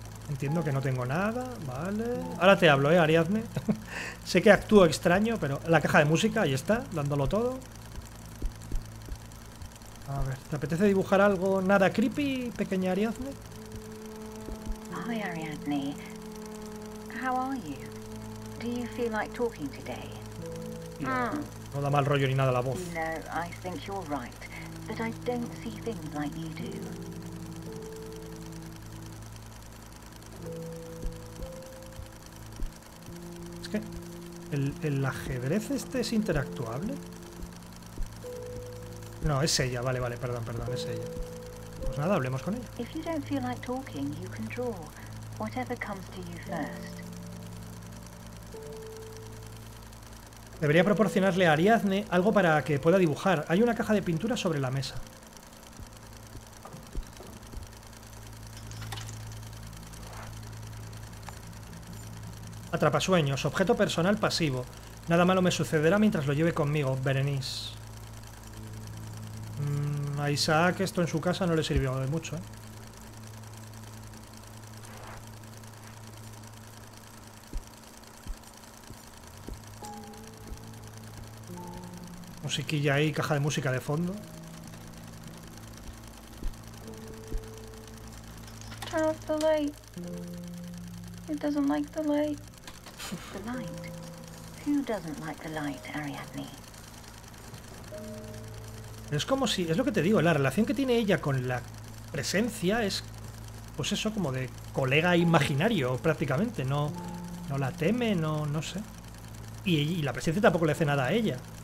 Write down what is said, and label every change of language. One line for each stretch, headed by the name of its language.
Spanish: Entiendo que no tengo nada, vale. Ahora te hablo, Ariadne. Sé que actúo extraño, pero la caja de música, ahí está, dándolo todo. A ver, ¿te apetece dibujar algo nada creepy, pequeña Ariadne?
English: Hi, Ariadne. How are you? Do you feel like talking today?
Spanish: No, no da mal rollo ni nada la voz.
English: No, I think you're right, but I don't see things like you do.
Spanish: Es que el ajedrez este es interactuable. No, es ella, vale, vale, perdón, perdón, es ella. Pues nada, hablemos con ella.
English: If you don't feel like talking, you can draw. Whatever comes to you first.
Spanish: Debería proporcionarle a Ariadne algo para que pueda dibujar. Hay una caja de pintura sobre la mesa. Atrapasueños, objeto personal pasivo. Nada malo me sucederá mientras lo lleve conmigo, Berenice. A Isaac esto en su casa no le sirvió de mucho, ¿eh? Musiquilla ahí, caja de música de fondo.
English: Turn off the light. It doesn't like the light. It's the light. Who doesn't like the light, Ariadne?
Spanish: Es como si, es lo que te digo, la relación que tiene ella con la presencia es, pues eso, como de colega imaginario prácticamente. No, no la teme, no, no sé. Y la presencia tampoco le hace nada a ella.